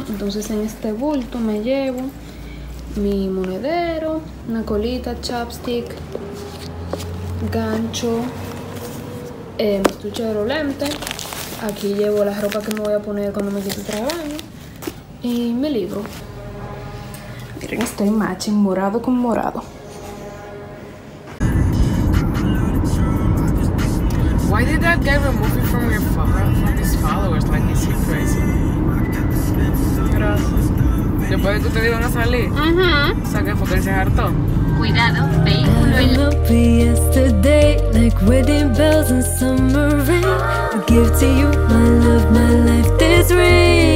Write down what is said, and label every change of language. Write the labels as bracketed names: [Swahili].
[Spanish] Entonces en este bulto me llevo mi monedero, una colita, chapstick, gancho, mi estuche de lente. Aquí llevo la ropa que me voy a poner cuando me quite el traje de baño. Y mi libro. Miren, estoy matching morado con morado. [English] Why did that guy remove you from his followers? Like, is he crazy? [Spanish] Gracias. Después de que ustedes iban a salir, o sea, que fue que él se hartó. Cuidado, vehículo. [English] I love you yesterday, like wedding bells and summer rain. I give to you my love, my life, this ring.